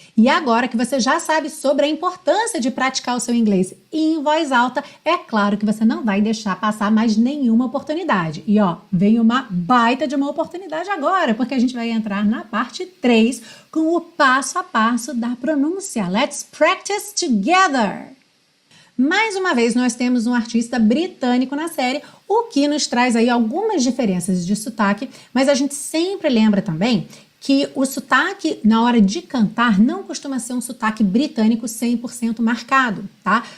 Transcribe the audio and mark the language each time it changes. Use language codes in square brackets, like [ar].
[pt] E agora que você já sabe sobre a importância de praticar o seu inglês em voz alta, é claro que você não vai deixar passar mais nenhuma oportunidade. E ó, vem uma baita de uma oportunidade agora, porque a gente vai entrar na parte 3 com o passo a passo da pronúncia. [en] Let's practice together! [pt] Mais uma vez, nós temos um artista britânico na série, o que nos traz aí algumas diferenças de sotaque, mas a gente sempre lembra também que o sotaque na hora de cantar não costuma ser um sotaque britânico 100% marcado, tá?